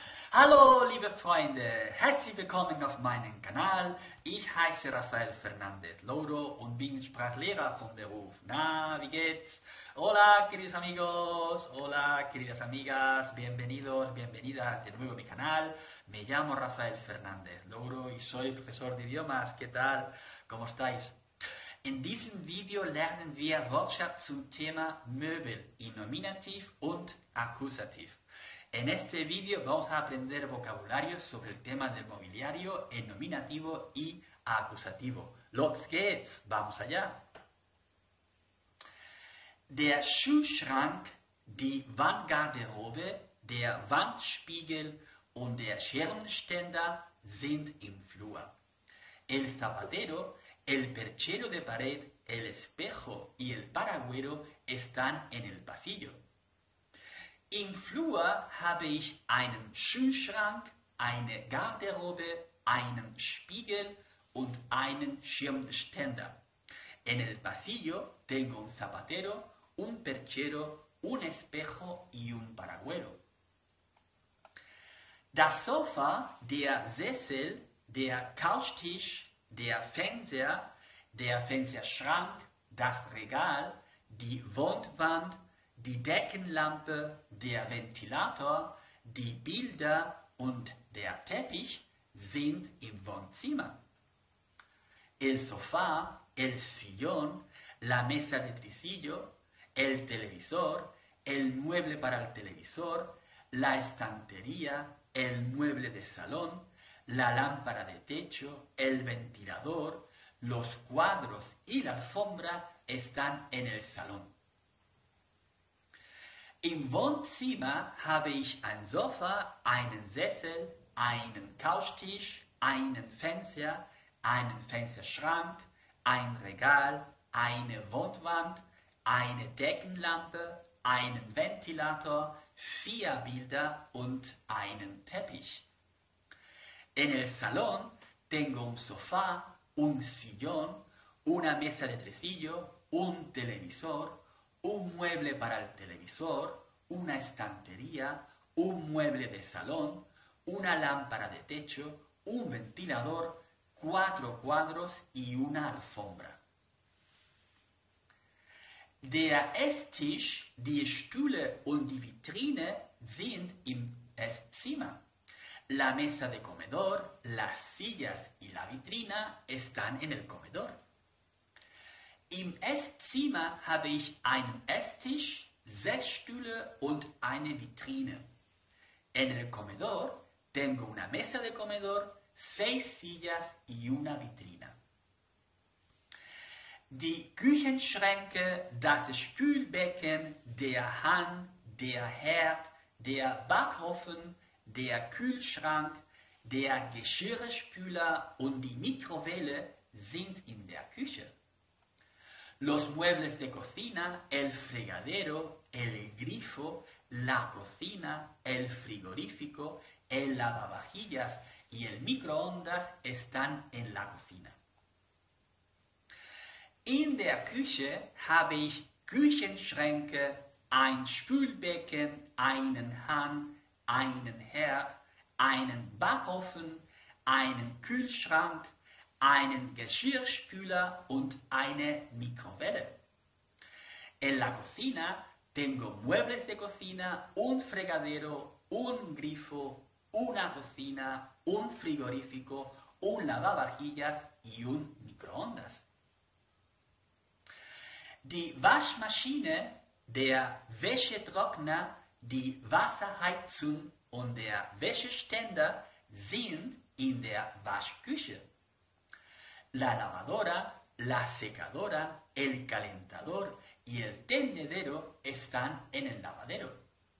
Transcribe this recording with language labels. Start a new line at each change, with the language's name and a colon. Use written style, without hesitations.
German: Hallo liebe Freunde, herzlich willkommen auf meinem Kanal. Ich heiße Rafael Fernandez Louro und bin Sprachlehrer von Beruf. Na, wie geht's?
Spanish: Hola queridos amigos, hola queridas amigas, bienvenidos, bienvenidas de nuevo a mi canal. Me llamo Rafael Fernandez Louro y soy profesor de idiomas. ¿Qué tal? ¿Cómo estáis?
German: In diesem Video lernen wir Wortschatz zum Thema Möbel in Nominativ und Akkusativ.
Spanish: En este video vamos a aprender vocabulario sobre el tema del mobiliario en nominativo y acusativo.
German: Los geht's,
Spanish: vamos allá.
German: Der Schuhschrank, die Wandgarderobe, der Wandspiegel und der Scherenständer sind im Flur.
Spanish: El zapatero, el perchero de pared, el espejo y el paragüero están en el pasillo.
German: Im Flur habe ich einen Schuhschrank, eine Garderobe, einen Spiegel und einen Schirmständer.
Spanish: En el pasillo tengo un zapatero, un perchero, un espejo y un paragüero.
German: Das Sofa, der Sessel, der Couchtisch, der Fernseher, der Fernsehschrank, das Regal, die Wohnwand, die Deckenlampe, der Ventilator, die Bilder und der Teppich sind im Wohnzimmer.
Spanish: El sofá, el sillón, la mesa de tresillo, el televisor, el mueble para el televisor, la estantería, el mueble de salón, la lámpara de techo, el ventilador, los cuadros y la alfombra están en el salón.
German: Im Wohnzimmer habe ich ein Sofa, einen Sessel, einen Couchtisch, einen Fernseher, einen Fensterschrank, ein Regal, eine Wohnwand, eine Deckenlampe, einen Ventilator, vier Bilder und einen Teppich.
Spanish: En el salón tengo un sofá, un sillón, una mesa de tresillo, un televisor, un mueble para el televisor, una estantería, un mueble de salón, una lámpara de techo, un ventilador, cuatro cuadros y una alfombra.
German: Der Esstisch, die Stühle und die Vitrine sind im Esszimmer.
Spanish: La mesa de comedor, las sillas y la vitrina están en el comedor.
German: Im Esszimmer habe ich einen Esstisch, sechs Stühle und eine Vitrine.
Spanish: En el comedor tengo una mesa de comedor, seis sillas y una vitrina.
German: Die Küchenschränke, das Spülbecken, der Hahn, der Herd, der Backofen, der Kühlschrank, der Geschirrspüler und die Mikrowelle sind in der Küche.
Spanish: Los muebles de cocina, el fregadero, el grifo, la cocina, el frigorífico, el lavavajillas y el microondas están en la cocina.
German: In der Küche habe ich Küchenschränke, ein Spülbecken, einen Hahn, einen Herd, einen Backofen, einen Kühlschrank, einen Geschirrspüler und eine Mikrowelle.
Spanish: En la cocina tengo muebles de cocina, un fregadero, un grifo, una cocina, un frigorífico, un lavavajillas y un microondas.
German: Die Waschmaschine, der Wäschetrockner, die Wasserheizung und der Wäscheständer sind in der Waschküche.
Spanish: La lavadora, la secadora, el calentador y el tendedero están en el lavadero.